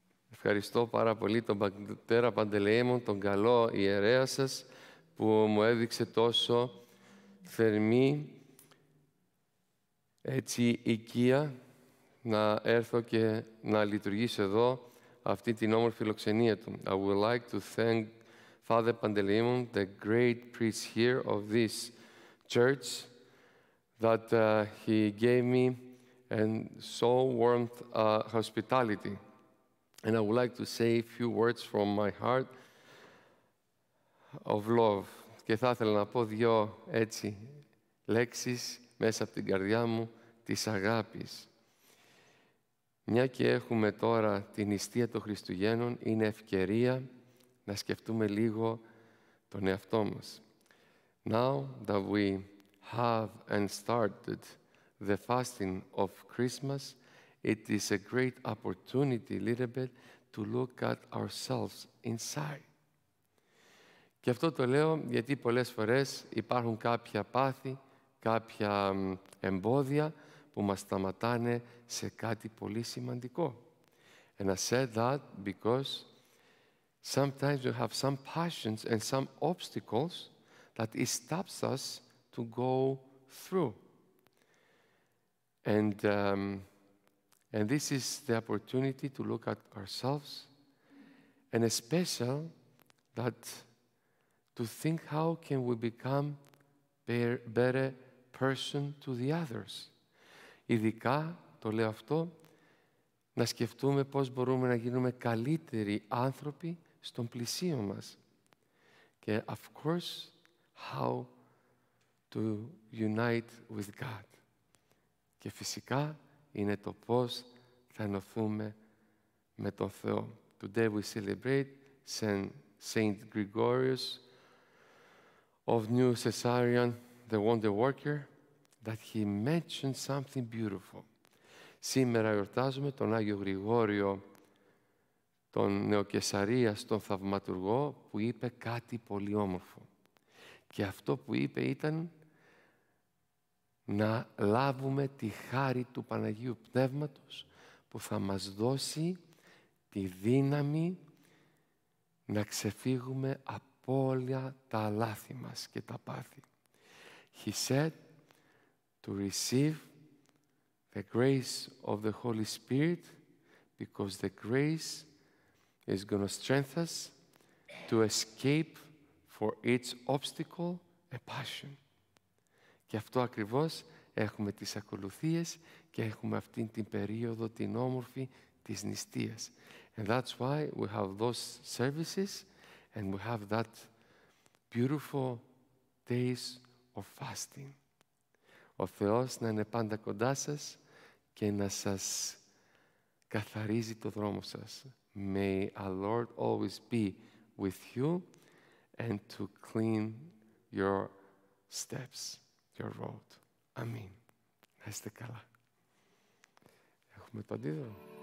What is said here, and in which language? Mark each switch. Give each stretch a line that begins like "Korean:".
Greek: Ευχαριστώ πάρα πολύ τον Πατέρα Παντελεήμων, τον καλό ιερέα σας, που μου έδειξε τόσο θερμή, έτσι, οικία, να έρθω και να λειτουργήσω εδώ αυτή την όμορφη φιλοξενία του.
English: I would like to thank Father Παντελεήμων, the great priest here of this church, that he gave me and so warm hospitality. And I would like to say a few words from my heart of love.
Greek: Και θα ήθελα να πω δύο έτσι λέξεις μέσα από την καρδιά μου της αγάπης. Μια και έχουμε τώρα την νηστεία των Χριστουγέννων, είναι ευκαιρία να σκεφτούμε λίγο τον εαυτό μας.
English: Now that we have and started the fasting of Christmas, it is a great opportunity, a little bit, to look at ourselves inside.
Greek: Και αυτό το λέω γιατί πολλές φορές υπάρχουν κάποια πάθη, κάποια εμπόδια που μας σταματάνε σε κάτι πολύ σημαντικό.
English: And I said that because sometimes we have some passions and some obstacles that it stops us to go through. And this is the opportunity to look at ourselves, and especially that to think how can we become a better person to the others.
Greek: Ειδικά, το λέω αυτό, να σκεφτούμε πώς μπορούμε να γίνουμε καλύτεροι άνθρωποι στον πλησίο μας.
English: Και, of course, how to unite with God.
Greek: Και φυσικά, είναι το πώς θα ενωθούμε με τον Θεό.
English: Today we celebrate Saint Gregorius of Neo-Caesarea, the Wonderworker, that he mentioned something beautiful.
Greek: Σήμερα γιορτάζουμε τον Άγιο Γρηγόριο, τον Νεοκεσαρίας, τον Θαυματουργό, που είπε κάτι πολύ όμορφο. Και αυτό που είπε ήταν να λάβουμε τη χάρη του Παναγίου Πνεύματος, που θα μας δώσει τη δύναμη να ξεφύγουμε από όλα τα λάθη μας και τα πάθη.
English: He said to receive the grace of the Holy Spirit, because the grace is going to strengthen us to escape for each obstacle a passion.
Greek: Και αυτό ακριβώς έχουμε τις ακολουθίες και έχουμε αυτήν την περίοδο την όμορφη της νηστείας.
English: And that's why we have those services and we have that beautiful days of fasting.
Greek: Ο Θεός να είναι πάντα κοντά σας και να σας καθαρίζει το δρόμο σας.
English: May our Lord always be with you and to clean your steps, your road. Amen.
Greek: Να είστε καλά. Έχουμε το αντίδωρο.